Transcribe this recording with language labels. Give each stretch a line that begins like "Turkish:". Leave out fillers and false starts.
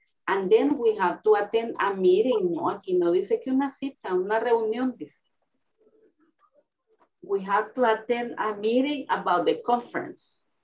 English: And then we have to attend a meeting, ¿no?
Spanish: Aquí no dice que una cita, una reunión, dice.
English: We have to attend a meeting about the conference.